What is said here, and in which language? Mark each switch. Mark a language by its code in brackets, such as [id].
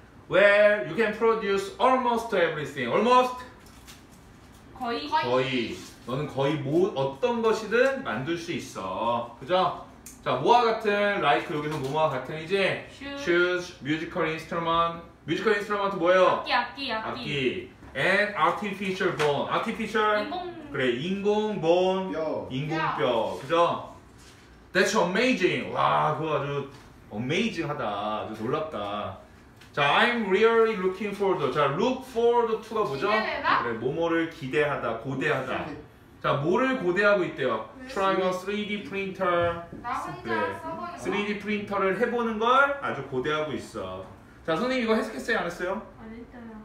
[en] Where you can produce almost everything. Almost? [ko] 거의. 거의. 너는 거의 뭐 어떤 것이든 만들 수 있어. 그죠? 자, 뭐와 같은 라이크 여기서 뭐와 같은이지? [en] Shoes, musical instrument. Musical instrument [ko] 뭐예요? 악기. [en] And artificial bone. Artificial. [ko] 인공. 그래, 인공 bone. 뼈. 인공 뼈. 그죠? [en] That's amazing. [ko] 와, 그거 아주 amazing하다. 아주 놀랍다. [en] 자, I'm really looking forward. [ko] 자, [en] look forward to [ko] 가 뭐죠? 기대되나? 그래, 뭐뭐를 기대하다, 고대하다. 자, 뭐를 고대하고 있대요? [en] Try a 3D printer. [ko] 나 혼자 써보는 거야. 3D 프린터를 해보는 걸 아주 고대하고 있어. 자, 선생님 이거 해석했어요? 안 했어요? 안 했어요.